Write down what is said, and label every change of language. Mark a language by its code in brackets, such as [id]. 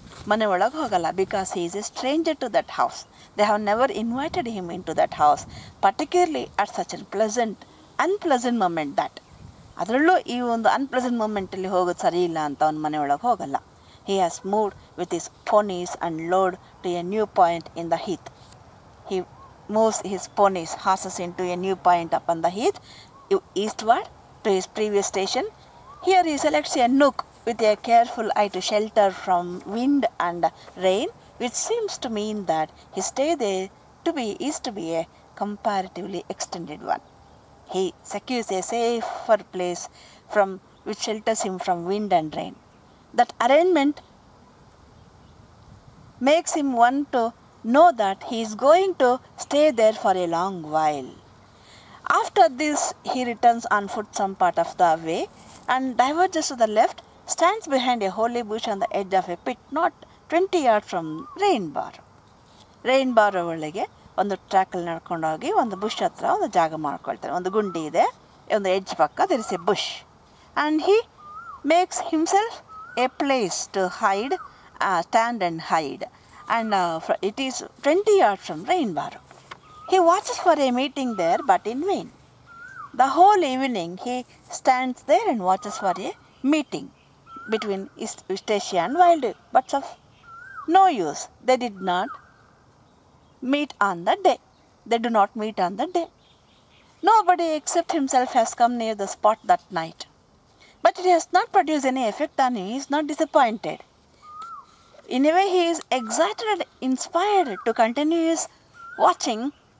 [kn] Mane olaga hogala [en] because he is a stranger to that house. They have never invited him into that house, particularly at such a pleasant unpleasant moment that. [kn] ಅದರಲ್ಲೂ ಈ ಒಂದು unpleasant ಮೂಮೆಂಟಲ್ಲಿ ಹೋಗೋದು ಸರಿ ಇಲ್ಲ ಅಂತ ಅವ್ನ ಮನೆಯೊಳಗೆ ಹೋಗಲ್ಲ. [en] He has moved with his ponies and load to a new point in the heath. He moves his ponies horses in to a new point up on the heath eastward to his previous station. Here he selects a nook with a careful eye to shelter from wind and rain, which seems to mean that he stay they to be is to be a comparatively extended one. He secures a safer place from which shelters him from wind and rain. That arrangement makes him want to know that he is going to stay there for a long while. After this, he returns on foot some part of the way and diverges to the left, stands behind a holy bush on the edge of a pit not 20 yards from Rainbar. [kn] Rainbar avalige ಒಂದು ಟ್ರ್ಯಾಕಲ್ಲಿ ನಡ್ಕೊಂಡು ಹೋಗಿ ಒಂದು bush ಹತ್ರ ಒಂದು ಜಾಗ ಮಾಡ್ಕೊಳ್ತಾರೆ. ಒಂದು ಗುಂಡಿ ಇದೆ, ಒಂದು ಎಡ್ಜ್ ಪಕ್ಕ [en] There's a bush. And he makes himself a place to hide stand and hide and it is 20 yards from rain bar. He watches for a meeting there but in vain. The whole evening he stands there and watches for a meeting between Eustacia and wild buts of no use. They did not meet on the day. They do not meet on the day. Nobody except himself has come near the spot that night. But it has not produced any effect on him. He is not disappointed. In a way, he is excited and inspired to continue his watching.